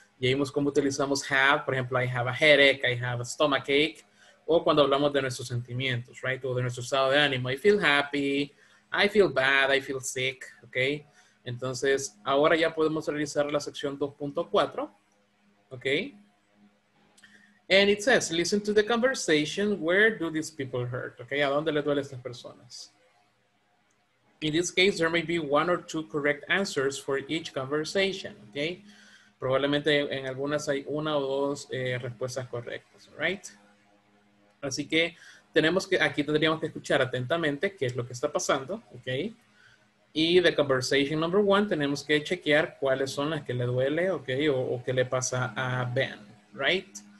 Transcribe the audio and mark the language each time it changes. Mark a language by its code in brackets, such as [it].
[es] Ya vimos cómo utilizamos have, por ejemplo, [en] I have a headache, I have a stomachache, [es] o cuando hablamos de nuestros sentimientos, right, o de nuestro estado de ánimo. [en] I feel happy, I feel bad, I feel sick. Okay. [es] Entonces, ahora ya podemos realizar la sección 2.4, okay? [en] And it says, listen to the conversation, where do these people hurt? Okay, [es] ¿a dónde le duele estas personas? [en] In this case, there may be one or two correct answers for each conversation, okay? [es] Probablemente en algunas hay una o dos respuestas correctas, right? Así que tenemos que, aquí tendríamos que escuchar atentamente qué es lo que está pasando, okay? Y de conversation number one, tenemos que chequear cuáles son las que le duele, okay, o qué le pasa a Ben, right?